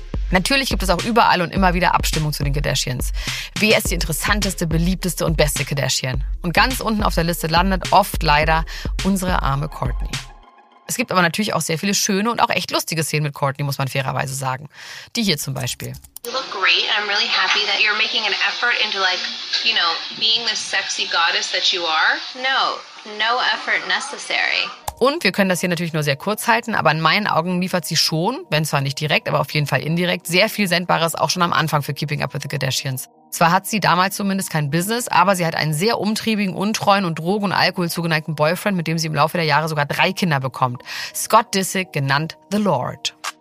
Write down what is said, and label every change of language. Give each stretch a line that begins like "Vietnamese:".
German: Natürlich gibt es auch überall und immer wieder Abstimmung zu den Kardashians. Wer ist die interessanteste, beliebteste und beste Kardashian? Und ganz unten auf der Liste landet oft leider unsere arme Kourtney. Es gibt aber natürlich auch sehr viele schöne und auch echt lustige Szenen mit Kourtney, muss man fairerweise sagen. Die hier zum Beispiel.
English: You look great and I'm really happy that you're making an effort into like, you know, being the sexy goddess that you are. No effort necessary.
German: Und wir können das hier natürlich nur sehr kurz halten, aber in meinen Augen liefert sie schon, wenn zwar nicht direkt, aber auf jeden Fall indirekt, sehr viel Sendbares auch schon am Anfang für Keeping Up with the Kardashians. Zwar hat sie damals zumindest kein Business, aber sie hat einen sehr umtriebigen, untreuen und Drogen- und Alkohol zugeneigten Boyfriend, mit dem sie im Laufe der Jahre sogar drei Kinder bekommt. Scott Disick, genannt The Lord.